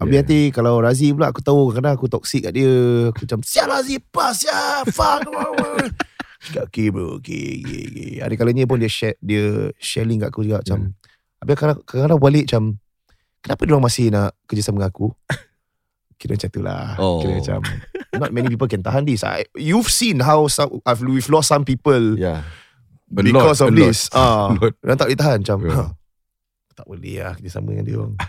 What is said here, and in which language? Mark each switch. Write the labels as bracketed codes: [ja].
[ms] Abis nanti kalau Razi pula, aku tahu kadang aku toxic kat dia, aku macam sial Razi pas ya [en] fuck. Okay bro, okay. [ms] Ada kalanya pun dia share, dia sharing kat aku juga macam habis kadang-kadang balik macam kenapa diorang masih nak kerjasama dengan aku. Kira macam itulah. Kira macam [en] not many people can [ms] tahan [en] this. You've seen how some, we've lost some people because of this. [ms] Diorang tak boleh tahan macam tak boleh lah kerjasama dengan diorang.